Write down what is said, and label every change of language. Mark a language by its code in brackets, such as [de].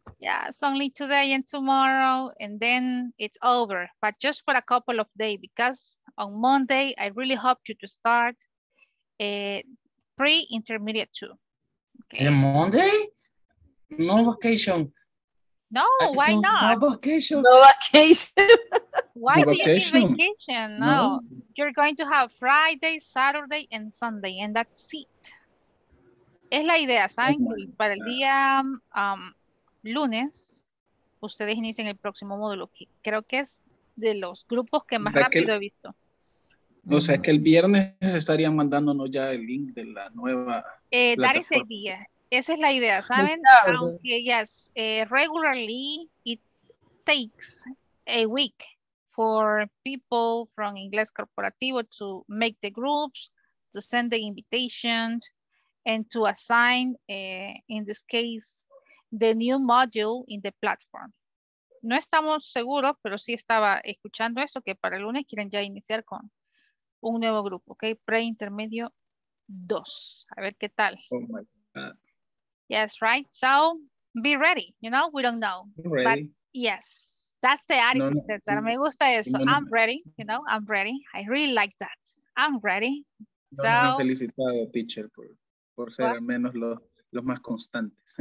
[en] Yeah, it's only today and tomorrow, and then it's over, but just for a couple of days, because on Monday, I really hope you to start a pre-intermediate two. Okay. On Monday? No vacation. No, why not? No vacation. No vacation. Why do you need vacation? No. You're going to have Friday, Saturday, and Sunday, and that's it. [es] Es la idea, ¿saben? Para el día lunes, ustedes inician el próximo módulo, que creo que es de los grupos que más rápido he visto. O sea, que el viernes estarían mandándonos ya el link de la nueva That is the idea. Esa es la idea, ¿saben? [en] Aunque, yes, regularly it takes a week for people from Inglés Corporativo to make the groups, to send the invitations, and to assign, in this case, the new module in the platform. [es] No estamos seguros, pero sí estaba escuchando eso, que para el lunes quieren ya iniciar con un nuevo grupo, ok, pre-intermedio 2. A ver qué tal. [en] Oh my God. Yes, right? So, be ready, you know, we don't know. I'm ready. But yes, that's the attitude. No, no, me gusta eso. No, no. I'm ready, you know, I'm ready. I really like that. I'm ready. [es] No, so, no, felicitado, teacher, por ser al menos los más constantes.